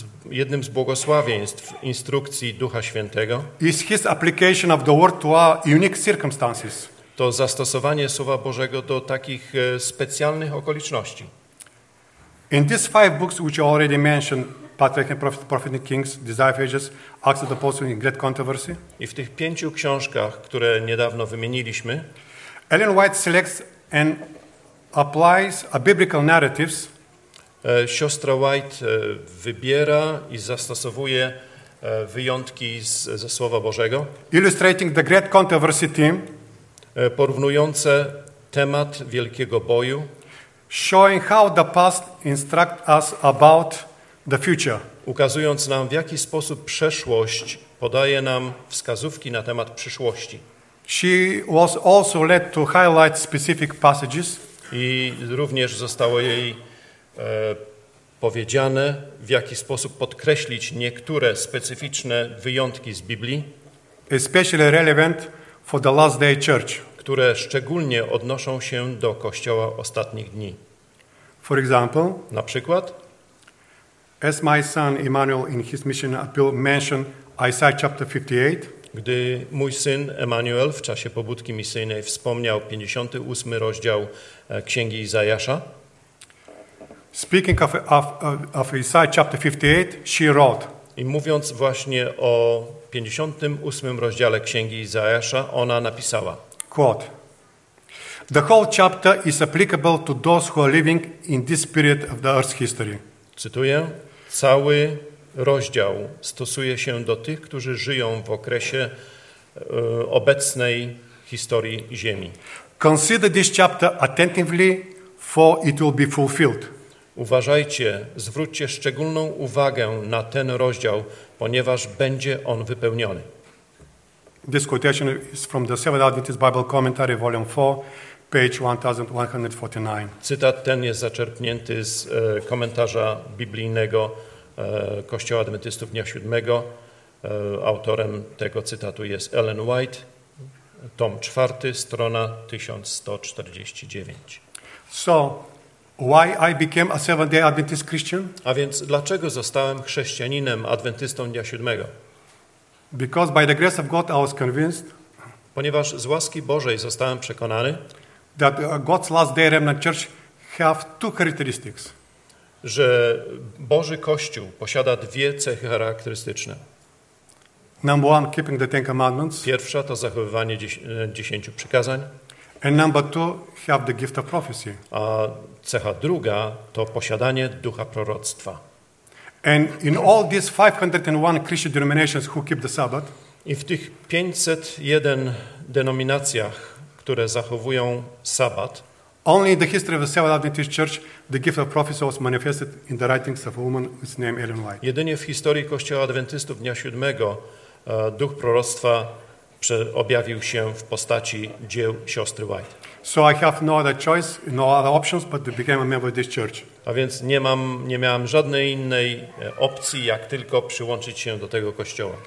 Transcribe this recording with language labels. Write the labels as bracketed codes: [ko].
[pl] jednym z błogosławieństw instrukcji Ducha Świętego, [en] is his application of the word to our unique circumstances. [pl] To zastosowanie Słowa Bożego do takich specjalnych okoliczności. [en] In these five books which I already mentioned, Patriarch and Prophet, Prophetic Kings, Desire of Ages, Acts of the Apostles and Great Controversy, [pl] i w tych pięciu książkach, które niedawno wymieniliśmy, [en] Ellen White selects and applies a biblical narratives. [pl] Siostra White wybiera i zastosowuje wyjątki ze Słowa Bożego, [en] illustrating the great controversy theme, [pl] porównujące temat wielkiego boju, [en] showing how the past instructs us about the future, [pl] ukazując nam, w jaki sposób przeszłość podaje nam wskazówki na temat przyszłości. [en] She was also led to highlight specific passages. [pl] I również zostało jej powiedziane, w jaki sposób podkreślić niektóre specyficzne wyjątki z Biblii, [en] especially relevant for the last day church, [pl] które szczególnie odnoszą się do Kościoła ostatnich dni. [en] For example, [pl] na przykład, [en] as my son Emmanuel in his mission appeal mentioned Isaiah chapter 58, [pl] gdy mój syn Emmanuel w czasie pobudki misyjnej wspomniał 58 rozdział Księgi Izajasza. [en] Speaking of Isaiah chapter 58, she wrote. [pl] I mówiąc właśnie o 58 rozdziale Księgi Izajasza, ona napisała. [en] Quote. The whole chapter is applicable to those who are living in this period of the earth's history. [pl] Cytuję. Cały rozdział stosuje się do tych, którzy żyją w okresie obecnej historii Ziemi. [en] Consider this chapter attentively, for it will be fulfilled. [pl] Uważajcie, zwróćcie szczególną uwagę na ten rozdział, ponieważ będzie on wypełniony. [en] This quotation is from the Seventh Adventist Bible Commentary, volume 4, page 1149. [pl] Cytat ten jest zaczerpnięty z komentarza biblijnego Kościoła Adwentystów Dnia Siódmego. Autorem tego cytatu jest Ellen White, tom 4, strona 1149. [en] So, why I became a Seventh-day Adventist Christian? [pl] A więc dlaczego zostałem chrześcijaninem, adwentystą Dnia Siódmego? [en] Because by the grace of God I was convinced. [pl] Ponieważ z łaski Bożej zostałem przekonany, [en] that God's last day remnant church have two characteristics. [pl] że Boży Kościół posiada dwie cechy charakterystyczne. [en] Number one, keeping the Ten Commandments. [pl] Pierwsza to zachowywanie 10 przykazań. [en] And number two, have the gift of prophecy. [pl] A cecha druga to posiadanie ducha proroctwa. [en] And in all these 501 Christian denominations who keep the Sabbath, [pl] i w tych 501 denominacjach, które zachowują sabat, [en] only in the history of the Seventh Adventist Church the gift of prophecy was manifested in the writings of a woman with name Ellen White. [pl] Jedynie w historii Kościoła Adwentystów Dnia Siódmego duch proroctwa objawił się w postaci dzieł siostry White. [en] So I have no other choice, no other options, but to become a member of this church. [pl] A więc nie miałem żadnej innej opcji, jak tylko przyłączyć się do tego kościoła.